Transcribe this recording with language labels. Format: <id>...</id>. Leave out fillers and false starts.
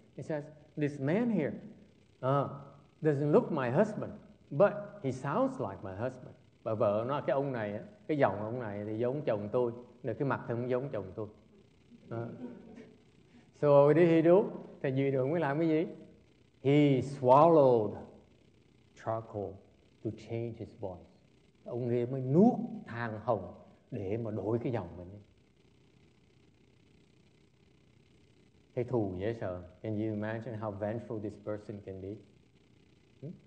<en>He says, this man here doesn't look my husband, but he sounds like my husband.</en> <vi>Bà vợ nói, cái ông này, cái giọng ông này thì giống chồng tôi, nên cái mặt thì cũng giống chồng tôi.</vi> <en>So what did he do?</en> <vi>Thì dì đường mới làm cái gì?</vi> <en>He swallowed charcoal to change his voice.</en> <vi>Ông ấy mới nuốt than hồng để mà đổi cái giọng mình. Thấy thù dễ sợ.</vi> <en>Can you imagine how vengeful this person can be?</en>